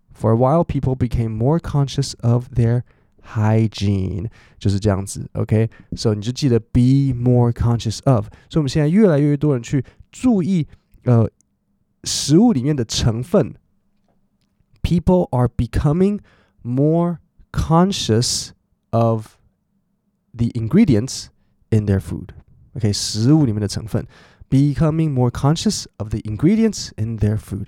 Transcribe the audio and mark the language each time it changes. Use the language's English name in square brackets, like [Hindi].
[English] For a while, people became more conscious of their hygiene. [Chinese] 就是这样子 ,OK? So, 你就记得 be more conscious of. 所以我们现在越来越多人去注意食物里面的成分。 [English] People are becoming more conscious of the ingredients in their food. [Chinese] OK, 食物里面的成分。 [English] Becoming more conscious of the ingredients in their food.